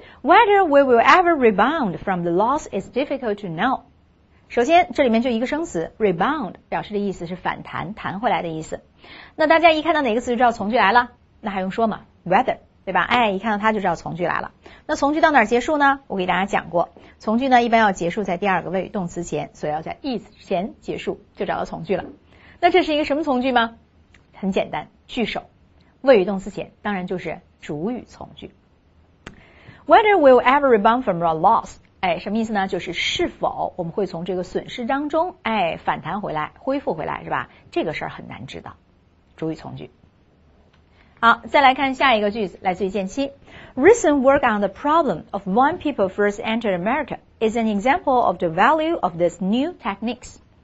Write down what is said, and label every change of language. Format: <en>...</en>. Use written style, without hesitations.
<en>Whether we will ever rebound from the loss is difficult to know。</en> <zh>首先，这里面就一个生词 rebound， 表示的意思是反弹、弹回来的意思。那大家一看到哪个词就知道从句来了？那还用说吗 ？Whether， 对吧？哎，一看到它就知道从句来了。那从句到哪儿结束呢？我给大家讲过，从句呢一般要结束在第二个谓语动词前，所以要在 is 前结束，就找到从句了。那这是一个什么从句吗？很简单，句首，谓语动词前，当然就是主语从句。</zh> <en>Whether we'll ever rebound from our loss。</en> <zh>哎，什么意思呢？就是是否我们会从这个损失当中，哎，反弹回来、恢复回来，是吧？这个事儿很难知道。主语从句。好，再来看下一个句子，来自于见期。</zh> <en>Recent work on the problem of when people first entered America is an example of the value of this new techniques.</en>